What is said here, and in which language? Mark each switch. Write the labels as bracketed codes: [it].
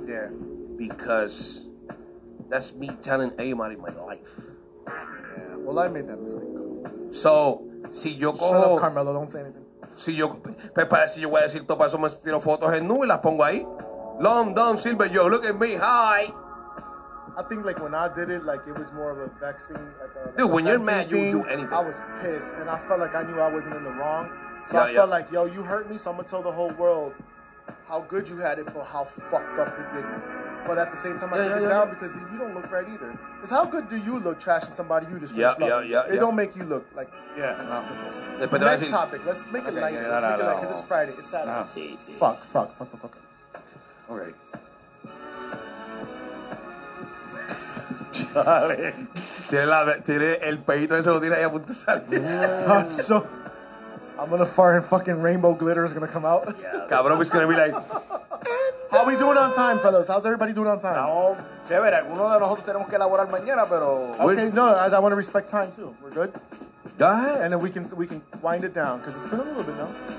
[en] Yeah. Because that's me telling everybody my life. Yeah. Well, I made that mistake. [es] So, si yo cojo... [en] Shut up, Carmelo. Don't say anything. [es] Si yo, prepara, si yo voy a decir todo para eso, me tiro fotos en nube y las pongo ahí. [en] Long, dumb, silver, yo, look at me, hi. I think, like, when I did it, like, it was more of a vexing. Dude, when you're mad, you do anything. I was pissed, and I felt like I knew I wasn't in the wrong. So I felt like, yo, you hurt me, so I'm going to tell the whole world how good you had it, but how fucked up you did it. But at the same time, I took it down because you don't look right either. Because how good do you look trashing somebody you just wish loved? Yeah. It don't make you look like... Yeah. But next topic. Let's make it light. Because it's Friday. It's Saturday. [es] No. Sí. [en] Fuck. Okay. [es] Chale. Tiene el pedito ese, lo tiene ahí a punto de salir. [en] So, I'm going to fart and fucking rainbow glitter is going to come out. Yeah. Cabrón is going to be like... How we doing on time, fellas? How's everybody doing on time? [es] Chévere. Algunos de nosotros tenemos que elaborar mañana, pero... [en] Okay, no, as I want to respect time, too. We're good? Go ahead. And then we can wind it down, because it's been a little bit now.